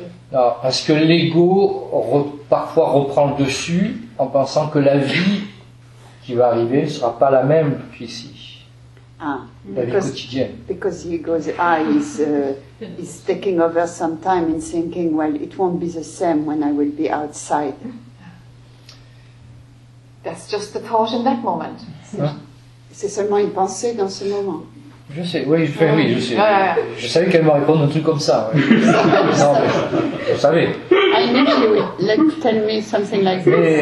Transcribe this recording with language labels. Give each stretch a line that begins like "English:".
French: Non, parce que l'ego parfois reprend le dessus en pensant que la vie qui va arriver ne sera pas la même qu'ici. Ah, la vie quotidienne.
English: Because ego's eye is taking over some time in thinking, well, it won't be the same when I will be outside. That's just the thought in that moment.
French: Hein? C'est seulement une pensée dans ce moment. Je sais, oui, je fais, oui, je sais. Je savais qu'elle me répondre un truc comme ça. Ouais. Non, mais je savais.
English: I knew she would tell me something like this.